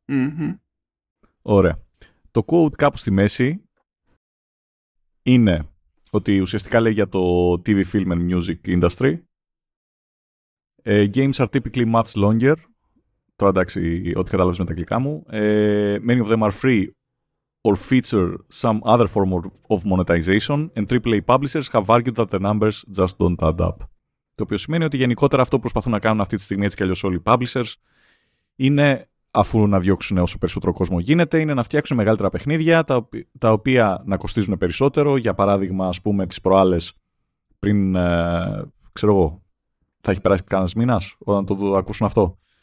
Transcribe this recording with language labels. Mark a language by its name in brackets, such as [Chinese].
[Greek] Mm-hmm. Ωραία. Το quote κάπου στη μέση είναι ότι ουσιαστικά λέει για το [English] TV, film and music industry. Games are typically much longer. [Greek] Τώρα εντάξει, ό,τι κατάλαβες με τα αγγλικά μου. [English] Many of them are free or feature some other form of monetization and AAA publishers have argued that the numbers just don't add up. [Greek] Το οποίο σημαίνει ότι γενικότερα αυτό που προσπαθούν να κάνουν αυτή τη στιγμή, έτσι κι αλλιώς όλοι οι publishers, είναι, αφού να διώξουν όσο περισσότερο κόσμο γίνεται, είναι να φτιάξουν μεγαλύτερα παιχνίδια τα οποία να κοστίζουν περισσότερο. Για παράδειγμα, ας πούμε, τις προάλλες πριν, ξέρω εγώ, θα έχει περάσει κανένας μήνας όταν το ακούσουν αυτό.